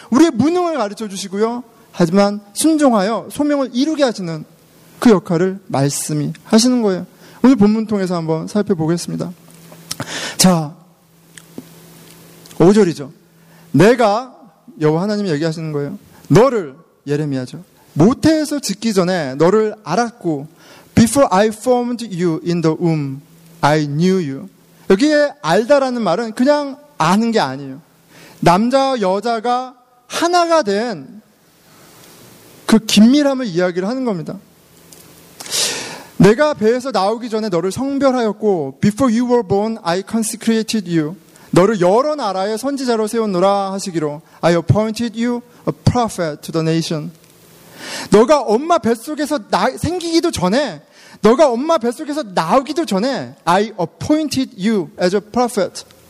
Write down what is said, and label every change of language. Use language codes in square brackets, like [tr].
[ko] 우리의 무능을 가르쳐 주시고요. 하지만 순종하여 소명을 이루게 하시는 그 역할을 말씀이 하시는 거예요. 오늘 본문 통해서 한번 살펴보겠습니다. 자, 5절이죠. 내가, 여호와 하나님이 얘기하시는 거예요. 너를, 예레미야죠, 모태에서 짓기 전에 너를 알았고 [en] Before I formed you in the womb, I knew you. [ko] 여기에 알다라는 말은 그냥 아는 게 아니에요. 남자와 여자가 하나가 된 그 긴밀함을 이야기를 하는 겁니다. 내가 배에서 나오기 전에 너를 성별하였고 [en] before you were born I consecrated you [ko] 너를 여러 나라의 선지자로 세웠노라 하시기로 [en] I appointed you a prophet to the nation [ko] 너가 엄마 뱃속에서 생기기도 전에 너가 엄마 뱃속에서 나오기도 전에 [en] I appointed you as a prophet